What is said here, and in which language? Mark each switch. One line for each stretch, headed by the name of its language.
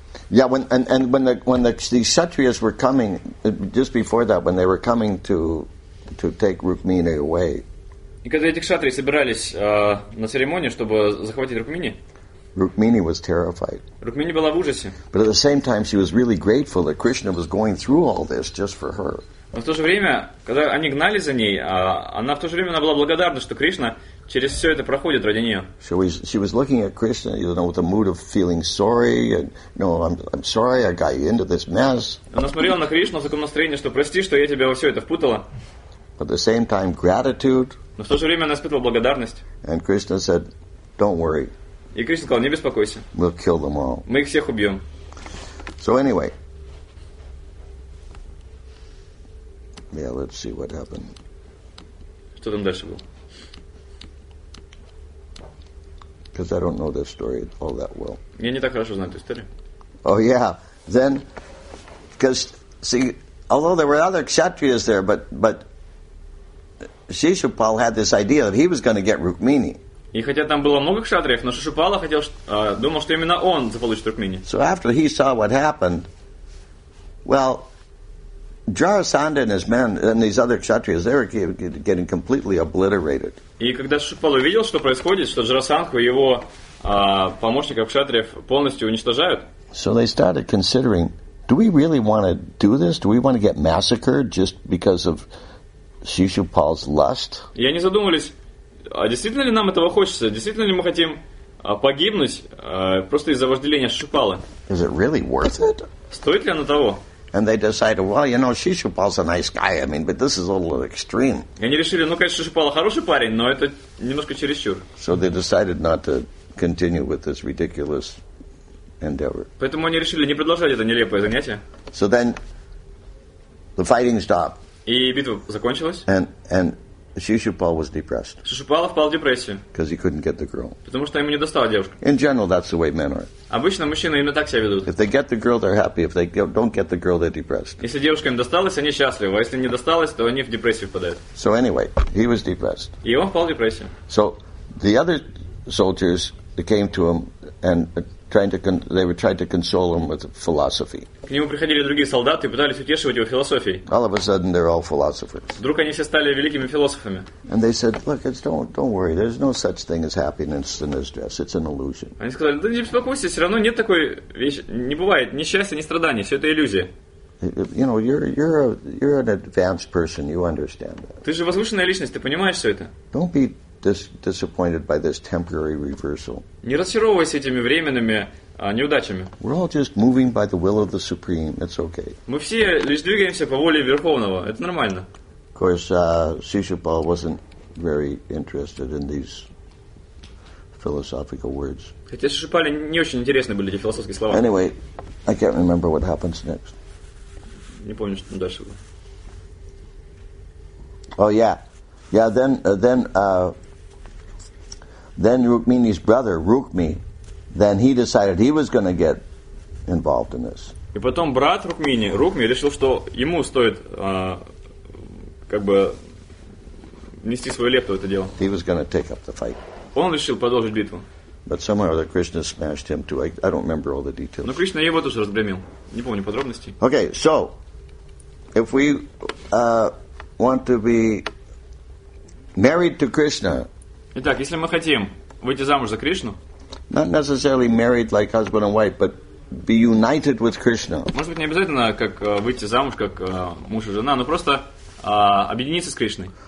English: Yeah, when the kshatriyas were coming, just before that, when they were coming to take Rukmini away.
Russian: И когда эти кшатрии собирались на церемонию, чтобы захватить Рукмини.
English: Rukmini was terrified.
Russian: Rukmini была в ужасе.
English: But at the same time, she was really grateful that Krishna was going through all this just for her.
Russian: Но в то же время, когда они гнали за ней, она в то же время она была благодарна, что Кришна через все это проходит ради нее.
English: She was looking at Krishna, you know, with a mood of feeling sorry, and no, I'm sorry, I got you into this mess.
Russian: Она смотрела на Кришну в таком настроении, что прости, что я тебя во все это впутала.
English: But at the same time, gratitude.
Russian: Но в то же время она испытывала благодарность.
English: And Krishna said, "Don't worry."
Russian: И Кришна сказал, не беспокойся.
English: We'll kill them all.
Russian: Мы их всех убьем.
English: So anyway. Yeah, let's see what happened.
Russian: Что там дальше было?
English: Because I don't know this story all that well.
Russian: Я не так хорошо знаю эту историю.
English: Oh yeah. Then, because, see, although there were other kshatriyas there, but Shishupal had this idea that he was going to get Rukmini.
Russian: И хотя там было много кшатриев, но Шишупала хотел, думал, что именно он заполучит Рукмини.
English: So after he saw what happened, well, Jarasandha and his men and these other kshatriyas, they were getting completely obliterated.
Russian: И когда Шишупала увидел, что происходит, что Джарасандху и его помощников кшатриев полностью уничтожают.
English: So they started considering, do we really want to do this? Do we want to get massacred just because of Shishupal's lust?
Russian: И они задумались, а действительно ли нам этого хочется? Действительно ли мы хотим погибнуть просто из-за вожделения Шишупалы?
English: Is it really worth it?
Russian: Стоит ли оно того?
English: And they decided, well, you know, Shishupal's a nice guy. I mean, but this is a little extreme.
Russian: И они решили, ну, конечно, Шишупала хороший парень, но это немножко чересчур.
English: So they decided not to continue with this ridiculous endeavor.
Russian: Поэтому они решили не продолжать это нелепое занятие.
English: So then the fighting stopped.
Russian: И битва закончилась.
English: And Shishupal was depressed.
Russian: Шишупала впал в депрессию.
English: Because he couldn't get the girl.
Russian: Потому что ему не достала девушка.
English: In general, that's the way men are.
Russian: Обычно мужчины именно так себя ведут.
English: If they get the girl, they're happy. If they don't get the girl, they're depressed.
Russian: Если девушка им досталась, они счастливы. А если не досталась, то они в депрессию впадают.
English: So anyway, he was depressed.
Russian: И он впал в депрессию.
English: So the other soldiers came to him and tried to console him with philosophy.
Russian: К нему приходили другие солдаты и пытались утешивать его философией.
English: All of a sudden, they're all philosophers.
Russian: Вдруг они все стали великими философами.
English: And they said, "Look, don't worry. There's no such thing as happiness in this dress. It's an illusion."
Russian: Они сказали, да не беспокойся, все равно нет такой вещи, не бывает ни счастья, ни страданий, все это иллюзия.
English: You know, you're an advanced person. You understand that.
Russian: Ты же возвышенная личность, ты понимаешь все это.
English: Don't be disappointed by this temporary reversal.
Russian: Не разочаровывайся этими временными неудачами.
English: We're all just moving by the will of the Supreme. It's okay.
Russian: Мы все лишь двигаемся по воле Верховного. Это нормально.
English: Of course, Shishupal wasn't very interested in these philosophical words.
Russian: Хотя Шишупале не очень интересны были эти философские слова.
English: Anyway, I can't remember what happens next.
Russian: Не помню, что там дальше было.
English: Oh yeah. Yeah, then Rukmini's brother, Rukmi, then he decided he was going to get involved in this.
Russian: И потом брат Рукмини, Рукми, решил, что ему стоит как бы нести свою лепту в это дело.
English: He was going to take up the fight.
Russian: Он решил продолжить битву.
English: But somehow or other Krishna smashed him too. I don't remember all the details.
Russian: Но Кришна его тоже разгромил. Не помню подробностей.
English: Okay, so if we want to be married to Krishna.
Russian: Итак, если мы хотим выйти замуж за Кришну,
English: not necessarily married like husband and wife, but be united with Krishna.
Russian: Может быть, не обязательно как выйти замуж как муж и жена, но просто объединиться с Кришной.